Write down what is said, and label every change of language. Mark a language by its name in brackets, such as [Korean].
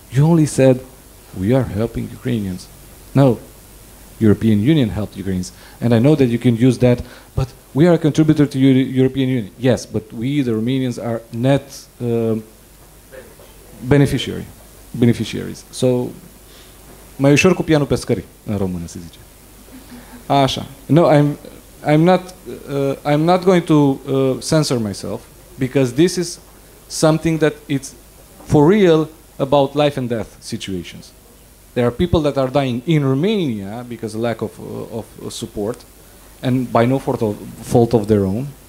[English] You only said, we are helping Ukrainians. No, European Union helped Ukrainians. And I know that you can use that, but we are a contributor to the European Union. Yes, but we, the Romanians, are net beneficiaries. [Romanian] So, mai ușor cu pianul pescării, în română se zice. Așa. [English] No, I'm not going to censor myself, because this is something that it's for real about life and death situations. There are people that are dying in Romania because of lack of support, and by no fault of their own.